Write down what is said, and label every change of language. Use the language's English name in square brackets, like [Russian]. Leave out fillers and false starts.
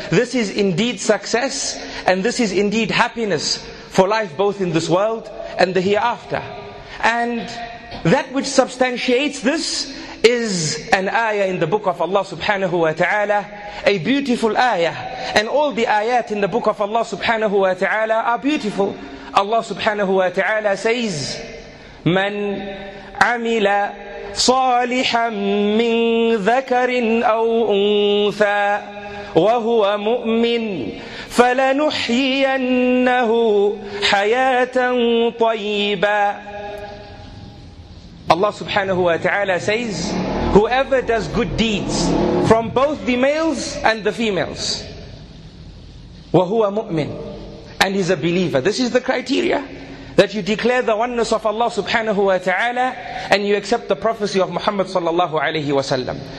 [English] This is indeed success, and this is indeed happiness for life, both in this world and the hereafter. And that which substantiates this is an ayah in the book of Allah subhanahu wa ta'ala, a beautiful ayah. And all the ayat in the book of Allah subhanahu wa ta'ala are beautiful. Allah subhanahu wa ta'ala says, [Arabic] من عمل صالحا من ذكر أو أنثى وهو مؤمن فلنحيينه حياة طيبة. [English] Allah subhanahu wa ta'ala says, whoever does good deeds from both the males and the females, [Arabic] وهو مؤمن, [English] and is a believer. This is the criteria, that you declare the oneness of Allah subhanahu wa ta'ala and you accept the prophecy of Muhammad sallallahu alayhi wa sallam.